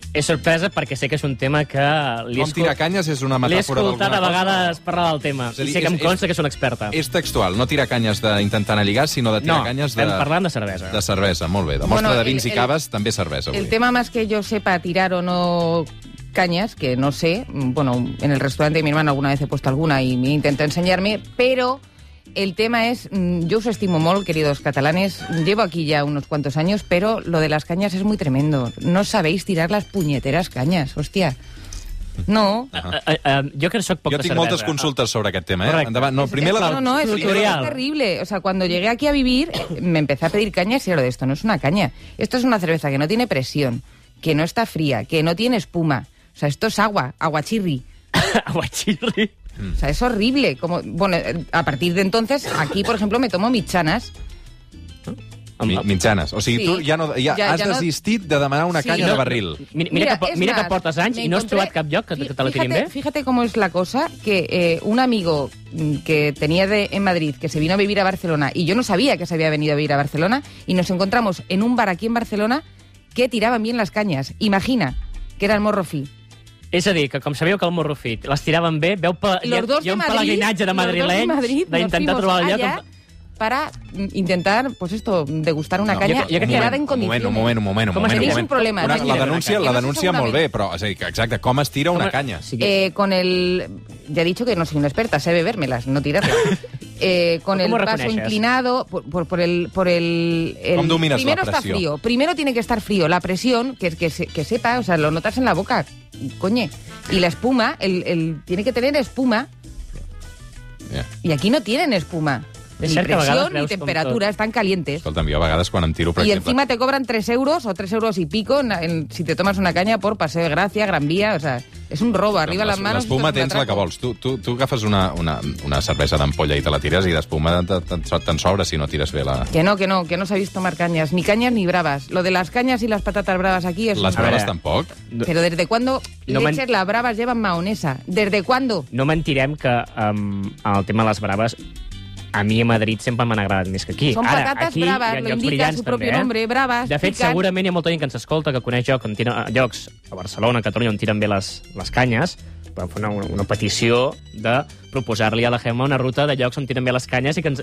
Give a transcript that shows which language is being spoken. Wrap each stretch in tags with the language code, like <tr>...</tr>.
<ca>És sorpresa perquè sé que és un tema que... Com tirar canyes és una metàfora d'alguna cosa. L'he escoltat a vegades parlar del tema. I sé que em consta que és una experta. És textual. No tirar canyes d'intentar anar a lligar, sinó de tirar canyes de... No, estem parlant de cervesa. De cervesa, molt bé. De mostra de vins i caves, també cervesa. El tema més que jo sepa tirar o no...</ca> <es>cañas, que no sé, bueno, en el restaurante de mi hermano alguna vez he puesto alguna y me intento enseñarme, pero el tema es, yo</es> <ca>os estimo molt,</ca> <es>queridos catalanes, llevo aquí ya unos cuantos años, pero lo de las cañas es muy tremendo, no sabéis tirar las puñeteras cañas, hostia.</es> <ca>No. Jo que soc poc jo tinc cervesa. Moltes consultes sobre aquest tema, eh? Endavant. No, primer la... No, és terrible.</ca> <es>O sea, cuando llegué aquí a vivir, me empecé a pedir cañas y lo de esto no es una caña. Esto es una cerveza que no tiene presión, que no está fría, que no tiene espuma. O sea, esto es agua, aguachirri. Aguachirri. O sea, es horrible. Como, bueno, a partir de entonces, aquí, por ejemplo, me tomo mitjanes.</es> <ca>Mitjanes. O sigui, sí. Tu ja, no, ja, ja has ja desistit no... de demanar una canya de barril. Mira que portes anys i no has trobat cap lloc que te la tirin bé.</ca> <es>Fíjate cómo es la cosa, que un amigo que tenía en Madrid, que se vino a vivir a Barcelona, y yo no sabía que se había venido a vivir a Barcelona, y nos encontramos en un bar aquí en Barcelona que tiraban bien las cañas. Imagina que era el Morrofí.</es> <ca>És a dir, que com sabíeu que el Morrofí les tiraven bé, veu hi ha un pelegrinatge de madrilenys d'intentar trobar el lloc...</ca> <es>Para intentar, pues esto, degustar una caña tirada en condiciones.</es> <ca>Un moment. La denúncia molt bé, però exacte, com es tira una caña?</ca> <es>Con el... Ya he dicho que no soy una experta, sé bebérmelas, no tirarlas. con el vaso inclinado, por el ¿cómo dominas primero la presión? Está frío. Primero tiene que estar frío. La presión, que sepa, o sea, lo notas en la boca, coñe. Y la espuma, el tiene que tener espuma. Yeah. Y aquí no tienen espuma. Ni presión ni temperatura, están calientes.</es> <ca>Escolta'm, jo a vegades quan em tiro, per</ca> <es>exemple... I encima te cobran 3 euros o 3 euros y pico si te tomas una caña por Paseo de Gràcia, Gran Vía, o sea, es un robo, arriba les manos...</es> <ca>L'espuma tens la que vols. Tu agafes una cervesa d'ampolla i te la tires i d'espuma te'n sobra si no tires bé la...</ca> <es>Que no sabéis tomar cañas, ni cañas ni braves. Lo de las cañas y las patatas bravas aquí es...</es> <ca>Les braves tampoc.</ca> <es>Pero desde cuando leches las braves llevan maonesa? ¿Desde cuándo?</es> <ca>No mentirem que el tema de les braves... A mi a Madrid sempre m'han agradat més que aquí. Són patates braves,</ca> <es>lo indica su propio nombre,</es> <ca>braves. De fet, segurament hi ha molta gent que ens escolta, que coneix llocs a Barcelona, a Catalunya, on tiren bé les canyes, vam fer una petició de proposar-li a la Gemma una ruta de llocs on tiren bé les canyes i que ens</ca>